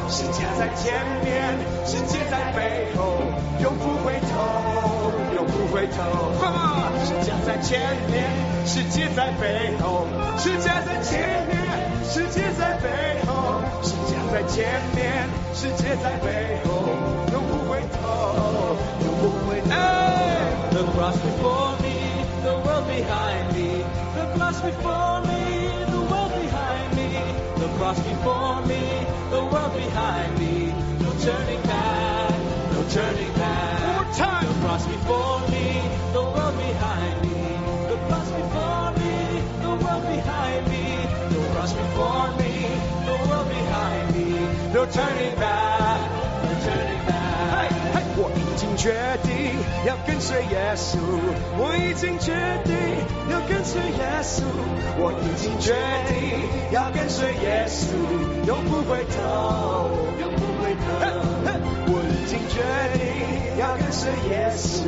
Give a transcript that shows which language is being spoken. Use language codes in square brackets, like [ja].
[zh] 十字架在前面，世界在背后，永不回头，永不回头。十字架在前面，世界在背后。十字架在前面，世界在背后。十字架在前面，世界在背后，永不回头，永不回头。 [en] The cross before me. The world behind me, the cross before me, the world behind me, the cross before me, the world behind me, no turning back, no turning back. One more time. The cross before me, the world behind me, the cross before me, the world behind me, the cross before me, the world behind me, no turning back, no turning back. Hey, hey, [zh] 我已经决定要跟随耶稣，我已经决定要跟随耶稣，我已经决定要跟随耶稣，永不回头，永不回头。我已经决定要跟随耶稣，